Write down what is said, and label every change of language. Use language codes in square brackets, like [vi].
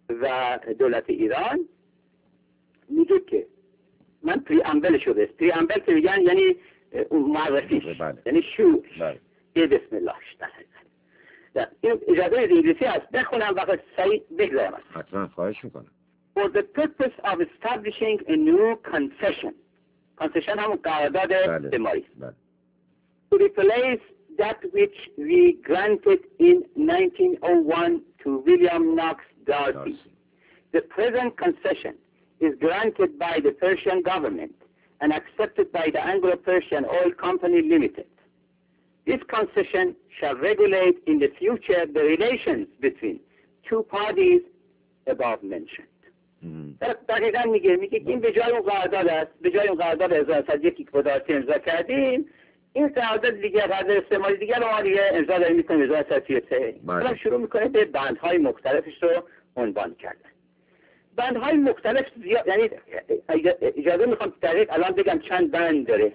[fa] و دولت ایران میگه که من پریامبل شده است. پریامبل که میگن یعنی معرفیش. بله. یعنی شور. بله. یه بسم الله شده این اجازه انگلیسی هست بخونم وقت سعی بگذارم حتما خواهش میکنم. [en] For the purpose of establishing a new concession. [fa] Concession همون قرارداد بیماری. بله. [en] To replace that which we granted in 1901 to William Knox Darcy. The present concession is granted by the Persian government and accepted by the Anglo-Persian Oil Company Limited. This concession shall regulate in the future the relations between two parties above mentioned. [fa] دقیقا میگه میگه این به جای اون قرارداد است، به جای اون قرارداد 1101 که داشتیم امضا کردیم، این قرارداد دیگه قرارداد استعمال دیگه رو ما دیگه امضا داریم میکنیم 1103. حالا شروع میکنه به بندهای مختلفش رو عنوان کردن. بندهای مختلف زیاد، یعنی اجازه میخوام دقیق الان بگم چند بند داره.